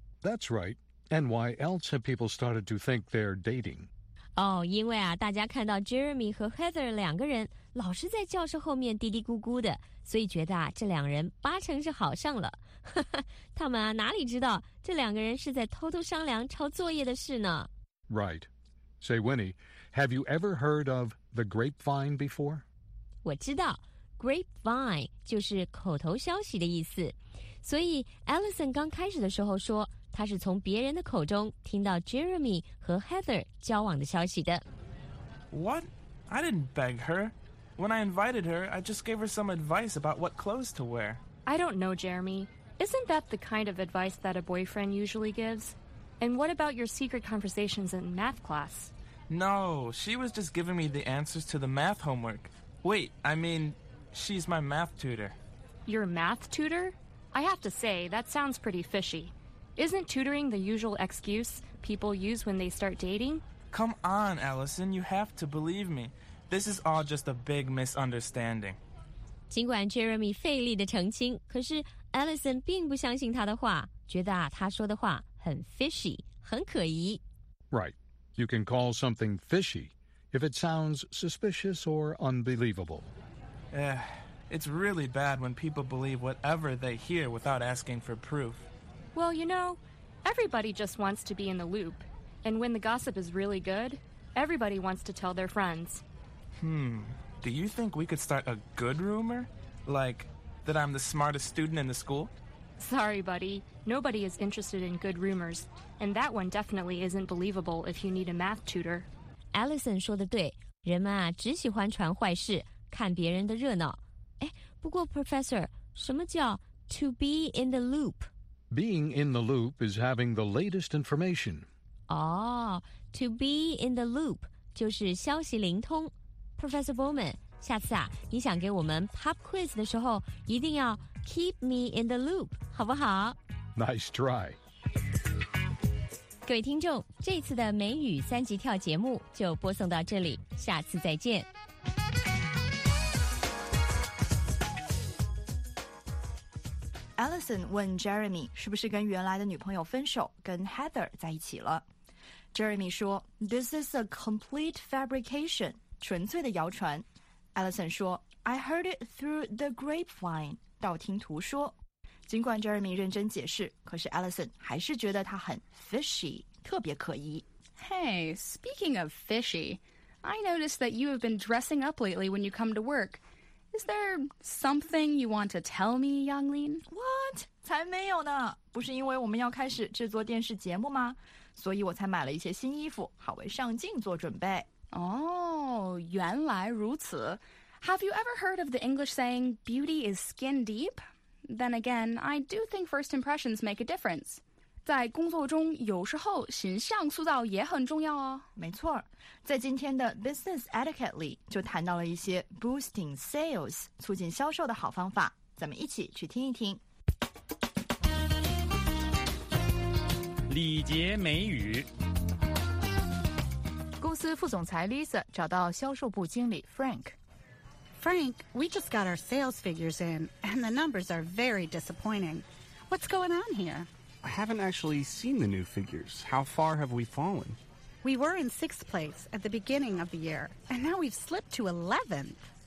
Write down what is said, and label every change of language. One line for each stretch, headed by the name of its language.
English: That's right. And why else have people started to think they're dating?
Chinese: 哦、oh, ，因为啊，大家看到 Jeremy 和 Heather 两个人老是在教室后面嘀嘀咕咕的，所以觉得啊，这两人八成是好上了。他们啊，哪里知道这两个人是在偷偷商量抄作业的事呢
English: ？Right. Say, Winnie, have you ever heard of the grapevine before?
Chinese: 我知道 grapevine 就是口头消息的意思，所以 Allison 刚开始的时候说。他是从别人的口中听到 Jeremy 和 Heather 交往的消息的。
English: What? I didn't beg her. When I invited her, I just gave her some advice about what clothes to wear. I don't know, Jeremy. Isn't that the kind of advice that a boyfriend usually gives? And what about your secret conversations in math class? No, she was just giving me the answers to the math homework. Wait, I mean, she's my math tutor. Your math tutor? I have to say, that sounds pretty fishy. Isn't tutoring the usual excuse people use when they start dating? Come on, Allison, you have to believe me. This is all just a big misunderstanding.
Chinese: 尽管 Jeremy 费力地澄清，可是 Allison 并不相信他的话，觉得他说的话很 fishy, 很可疑。
English: Right. You can call something fishy if it sounds suspicious or unbelievable. It's really bad when people believe whatever they hear without asking for proof. Well, you know, everybody just wants to be in the loop. And when the gossip is really good, everybody wants to tell their friends. Do you think we could start a good rumor? Like, that I'm the smartest student in the school? Sorry, buddy. Nobody is interested in good rumors. And that one definitely isn't believable if you need a math tutor.
Chinese: Allison 说的对，人们啊，只喜欢传坏事，看别人的热闹。不过 Professor, 什么叫
English: to be in the loop? Being in the loop is having the latest information. To be in the loop
Chinese: 就是消息灵通。 Professor Bowman, 下次啊，你想给我们 pop quiz 的时候，一定要
English: keep me in the loop,
Chinese: 好不好？
English: Nice try.
Chinese: 各位听众，这次的美语三级跳节目就播送到这里，下次再见。 Allison 问 Jeremy 是不是跟原来的女朋友分手，跟 Heather 在一起了。 Jeremy 说 ,
English: This is a complete fabrication,
Chinese: 纯粹的谣传。 Allison 说 ,
English: I heard it through the grapevine,
Chinese: 道听途说。尽管 Jeremy 认真解释，可是 Allison 还是觉得他很 fishy, 特别可疑。
English: Hey, speaking of fishy, I noticed that you have been dressing up lately when you come to work. Is there something you want to tell me, Yanglin? What?
Chinese: 才没有呢！不是因为我们要开始制作电视节目吗？所以我才买了一些新衣服，好为上镜做准备。原来如此。
English: Have you ever heard of the English saying, beauty is skin deep? Then again, I do think first impressions make a difference.
Chinese: 在工作中有时候形象塑造也很重要哦。没错，在今天的 Business Etiquette 里就谈到了一些 Boosting Sales 促进销售的好方法，咱们一起去听一听。礼节美语。公司副总裁 Lisa 找到销售部经理 Frank。
English: Frank, we just got our sales figures in and the numbers are very disappointing. What's going on here? I haven't actually seen the new figures. How far have we fallen? We were in sixth place at the beginning of the year, and now we've slipped to 11th.